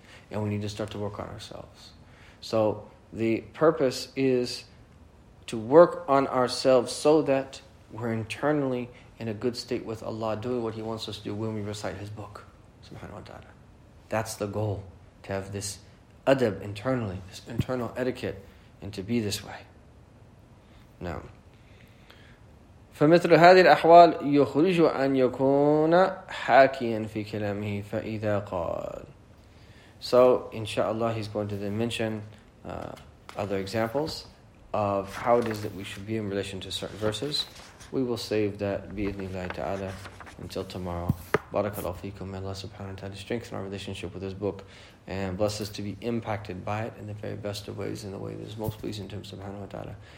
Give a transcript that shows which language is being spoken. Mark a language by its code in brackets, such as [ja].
[en] And we need to start to work on ourselves. So the purpose is to work on ourselves so that we're internally in a good state with Allah, doing what He wants us to do when we recite His book, subhanahu wa ta'ala. That's the goal, to have this adab internally, this internal etiquette, and to be this way. Now, [ar] فمثل هذه الأحوال يخرج أن يكون حاكيا في كلامه فإذا قال. [en] So inshallah he's going to then mention other examples of how it is that we should be in relation to certain verses. We will save that [ar] بإذن الله تعالى [en] until tomorrow. Barakallahu feekum. May Allah subhanahu wa ta'ala strengthen our relationship with this book and bless us to be impacted by it in the very best of ways, in the way that is most pleasing to him subhanahu wa ta'ala.